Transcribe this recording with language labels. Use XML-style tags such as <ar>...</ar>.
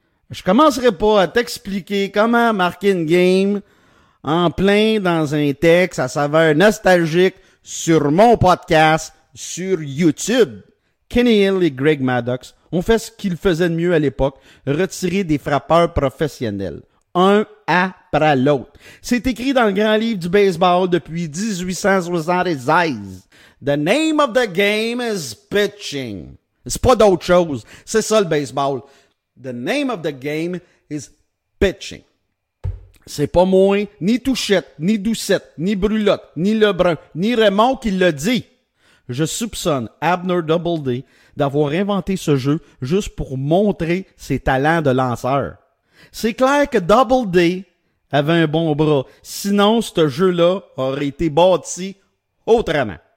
<fr>Je commencerai pas à t'expliquer comment marquer une game en plein dans un texte à saveur nostalgique sur mon podcast sur YouTube. Kenny Hill et Greg Maddux ont fait ce qu'ils faisaient de mieux à l'époque, retirer des frappeurs professionnels, un après l'autre. C'est écrit dans le grand livre du baseball depuis 1876.</fr> <en>The name of the game is pitching.</en> <fr>C'est pas d'autre chose. C'est ça le baseball.</fr> <en>The name of the game is pitching.</en> <fr>C'est pas moi, ni Touchette, ni Doucette, ni Brulotte, ni Lebrun, ni Raymond qui l'a dit. Je soupçonne Abner Doubleday d'avoir inventé ce jeu juste pour montrer ses talents de lanceur. C'est clair que Doubleday avait un bon bras, sinon ce jeu-là aurait été bâti autrement.</fr>